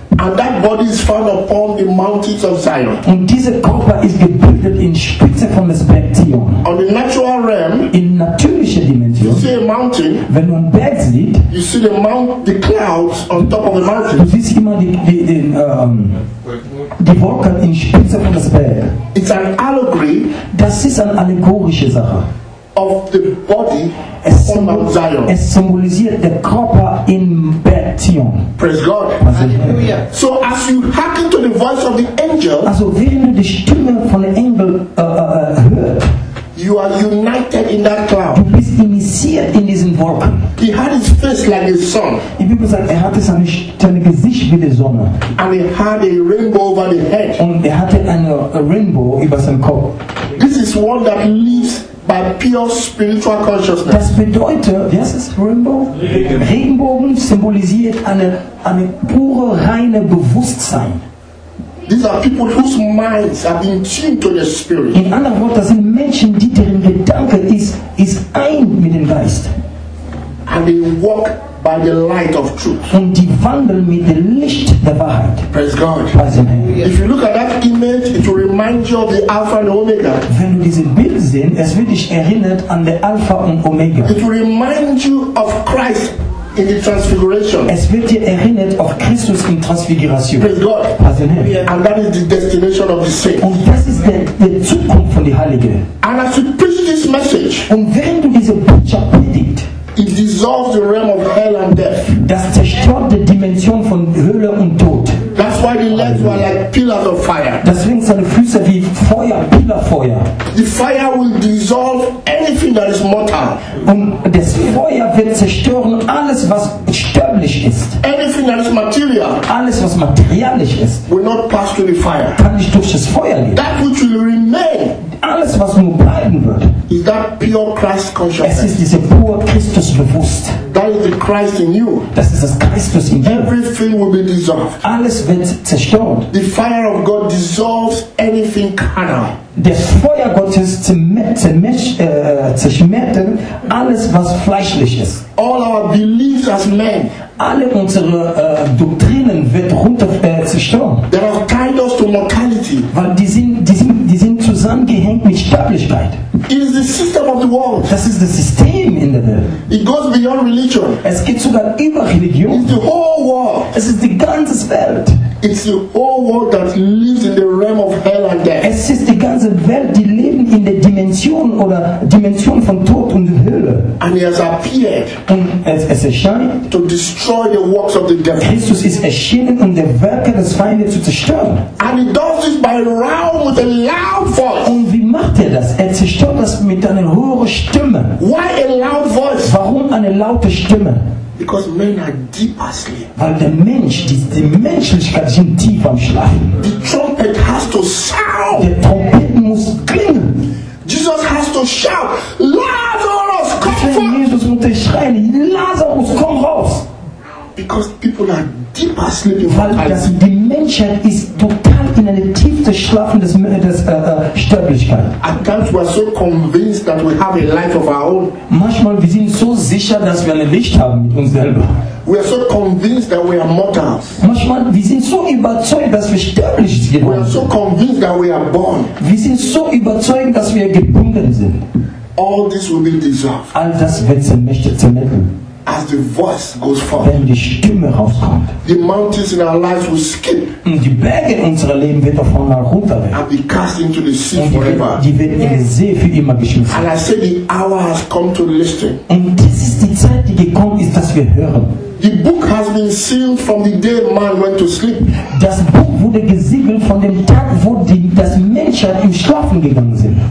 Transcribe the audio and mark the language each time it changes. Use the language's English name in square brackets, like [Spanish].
[English] And that body is found upon the mountains of Zion. [German] Und dieser Körper ist gebildet in Spitze von des Berg Zion. [English] On the natural realm, [German] in natürliche Dimension, [English] you see a mountain. [German] Wenn du einen Berg siehst, [English] you see the clouds on top of the mountain. [German] Du siehst immer die Wolken in Spitze von des Berg. [English] It's an allegory. [German] Das ist eine allegorische Sache. [English] Of the body on Mount Zion. [German] Es symbolisiert der Körper in Berg Zion. [English] Praise God. So as you hearken to the voice of the angel, [German] also wenn du die Stimme von dem Engel hörst, [English] you are united in that cloud. [German] Du bist initiiert in diesen Wolken. [English] He had his face like his sun. [German] Die Bibel sagt, hatte sein Gesicht wie die Sonne. [English] And he had a rainbow over the head. [German] Und hatte eine Rainbow über seinem Kopf. [English] This is one that lives by pure spiritual consciousness. [German] Das bedeutet, wie heißt das, Rainbow? Regenbogen symbolisiert eine pure, reine Bewusstsein. [English] These are people whose minds have been tuned to the spirit. [German] In anderen Worten, das sind Menschen, die deren Gedanke ist ein mit dem Geist. [English] And they walk by the light of truth. [German] Und die wandeln mit dem Licht der Wahrheit. [English] Praise God. Praise Him. If you look at that image, it will remind you of the Alpha and Omega. [German] Wenn du diese Bild sehen, es wird dich erinnert an der Alpha und Omega. [English] It will remind you of Christ in the Transfiguration. [German] Es wird dir erinnert auf Christus in Transfiguration. [English] Praise God. Praise Him. And that is the destination of the saints. [German] Und das ist der Zukunft von den Heiligen. [English] And as you preach this message, [German] und wenn du diese Botschaft predigt, [English] it dissolves the realm of hell and death. [German] Das zerstört die Dimension von Hölle und Tod. [English] That's why the legs were like pillars of fire. [German] Deswegen sind seine Füße wie Feuer, Pillarfeuer. [English] the fire will dissolve anything that is mortal. [German] Und das Feuer wird zerstören alles, was sterblich ist. [English] Anything that is material. [German] Alles, was materialisch ist. [English] Will not pass through the fire. [German] Kann nicht durch das Feuer gehen. [English] That which will remain. [German] Alles, was nur bleiben wird. [English] Is that pure Christ consciousness? [German] Es ist diese pure Christusbewusst. [English] That is the Christ in you. [German] Das ist das Christus in dir. [English] Everything will be dissolved. [German] Alles wird zerstört. [English] The fire of God dissolves anything carnal. [German] Das Feuer Gottes zerschmettert alles, was fleischlich ist. [English] All our beliefs as men. [German] Alle unsere Doktrinen wird runter zerstört. [English] They are tied us to mortality. [German] Weil die sind zusammengehängt mit Sterblichkeit. [English] It is the system of the world. [German] Das ist das System in der Welt. [English] It goes beyond religion. [German] Es geht sogar über Religion. [English] It's the whole world. [German] Es ist die ganze Welt. [English] It's the whole world that lives in the realm of hell and death. [German] Es ist die ganze Welt, die leben in der Dimension oder Dimension von Tod und Hölle. [English] And he has appeared. [German] Und es erscheint. [English] To destroy the works of the devil. [German] Christus ist erschienen, um die Werke des Feindes zu zerstören. [English] And he does this by round with a loud voice. [German] Und wie macht er das? Er zerstört das mit einer hohen Stimme. [English] Why a loud voice? [German] Warum eine laute Stimme? [English] Because men are deep asleep. [German] Weil der Mensch, die Menschlichkeit sind tief am Schlafen. [English] The trumpet has to sound. [German] Der Trompet muss klingen. [English] Jesus has to shout, Lazarus, come forth. [German] Jesus muss schreien, Lazarus, komm raus. [English] Because people are deep asleep. [German] Weil die Menschheit ist total in eine tiefe Schlafen des Sterblichkeit. [English] At times we are so convinced that we have a life of our own. [German] Manchmal wir sind so sicher, dass wir ein Licht haben mit uns selber. [English] We are so convinced that we are mortal. [German] Manchmal wir sind so überzeugt, dass wir sterblich sind. [English] We are so convinced that we are born. [German] Wir sind so überzeugt, dass wir gebunden sind. [English] All this will be dissolved. [German] All das wird zermelden. [English] As the voice goes forth, [German] wenn die Stimme rauskommt, [English] the mountains in our lives will skip, [German] und die Berge in unserem Leben wird davon mal runter werden, [English] and be cast into the sea forever. [German] Die wird in den See für immer geschmissen. [English] And I say the hour has come to listen. [German] Und das ist die Zeit, die gekommen ist, dass wir hören. [English] The book has been sealed from the day man went to sleep. [German] Das Buch wurde gesiegelt von dem Tag, wo das Menschen im Schlafen gegangen sind.